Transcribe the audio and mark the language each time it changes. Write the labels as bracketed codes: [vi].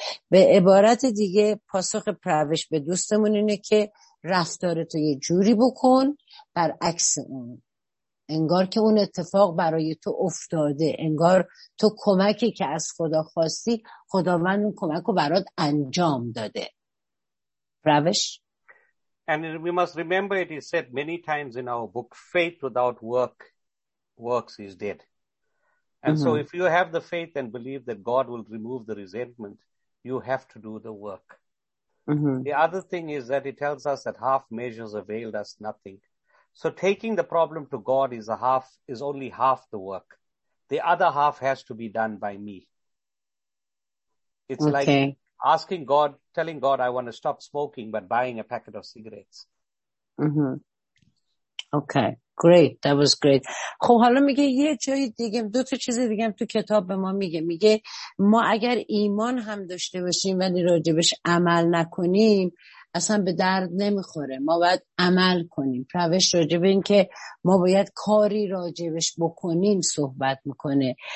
[fa] به عبارت دیگه پاسخ پروش به دوستمون اینه که رفتارتو یه جوری بکن برعکس اون، انگار که اون اتفاق برای تو افتاده، انگار تو کمکی که از خدا خواستی خداوند اون کمک رو برات انجام داده. روش. [en] And we must remember it is said many times in our book, faith without works is dead. And so if you have the faith and believe that God will remove the resentment, you have to do the work. The other thing is that it tells us that half measures avail us nothing. So taking the problem to God is only half the work. The other half has to be done by me. It's like asking God, telling God, I want to stop smoking, but buying a packet of cigarettes. Okay, great. That was great. [fa] خب حالا میگه یه جای دیگه، دو تا چیز دیگه هم تو کتاب به ما میگه. میگه ما اگر ایمان هم داشته باشیم ولی راجبش عمل نکنیم، اصلا به درد نمیخوره. ما باید عمل کنیم. پروش راجب این که ما باید کاری راجبش بکنیم صحبت میکنه.